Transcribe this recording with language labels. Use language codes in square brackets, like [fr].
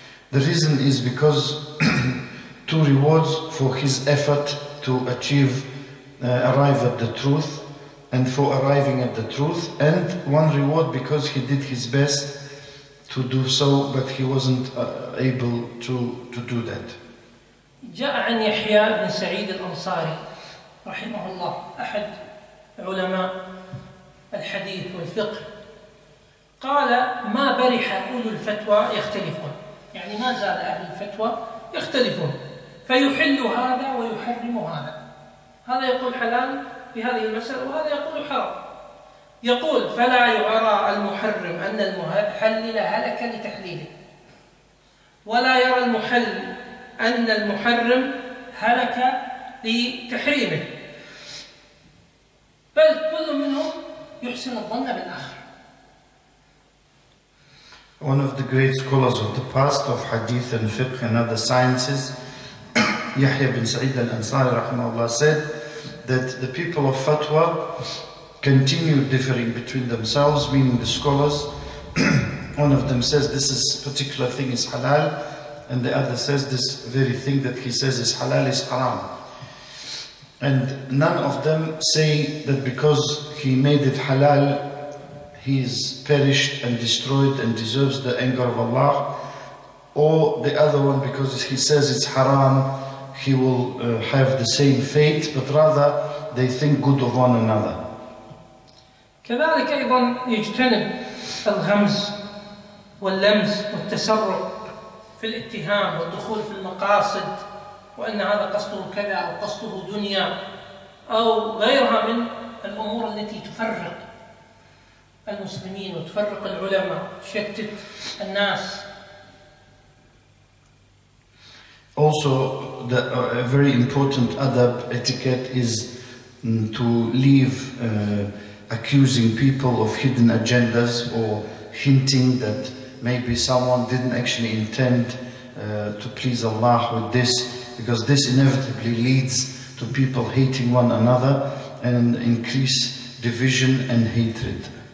[en] The reason is because two rewards for his effort to achieve, arrive at the truth, and for arriving at the truth, and one reward because he did his best to do so, but he wasn't able to do that. [ar] جاء عن يحيى بن سعيد الأنصاري رحمه الله أحد علماء الحديث والفقه قال ما برح أولو الفتوى يختلفون يعني ما زال أهل الفتوى يختلفون فيحل هذا ويحرم هذا هذا يقول حلال في هذه المسألة وهذا يقول حرام يقول فلا يرى المحرم أن المحلل هلك لتحليله ولا يرى المحلل أن المحرم هلك لتحريمه بل كل منهم يحسن الظن بالآخر. [en] One of the great scholars of the past of hadith and fiqh and other sciences, Yahya bin Sa'id al-Ansari rahimahullah, said that the people of fatwa continue differing between themselves, meaning the scholars. One of them says this is particular thing is halal, and the other says this very thing that he says is halal is haram. And none of them say that because he made it halal, he is perished and destroyed and deserves the anger of Allah. Or the other one, because he says it's haram, he will have the same fate, but rather they think good of one another. [ar] كذلك أيضا يجتنب الغمز واللمز والتسرع في الاتهام والدخول في المقاصد وأن هذا قصده كذا أو قصده دنيا أو غيرها من الأمور التي تفرق المسلمين وتفرق العلماء تشتت الناس. [en] Also, the, a very important adab etiquette is to leave accusing people of hidden agendas or hinting that maybe someone didn't actually intend to please Allah with this, because this inevitably leads to people hating one another and increase division and hatred.